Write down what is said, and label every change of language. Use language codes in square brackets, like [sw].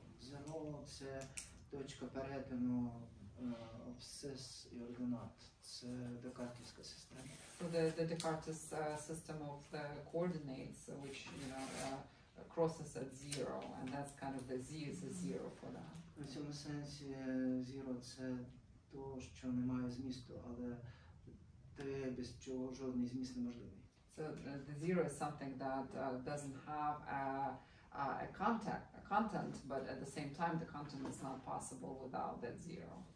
[uk] Zero це точка перетину обсес і ординат. Це декартівська система. [en] So the Descartes system of the coordinates, which crosses at zero, and that's kind of the Z is a zero for that. [uk] В цьому сенсі zero це то, що не має змісту, але те, без чого жодний зміст неможливий. [en] So the zero is something that doesn't have a content, but at the same time, the content is not possible without that zero.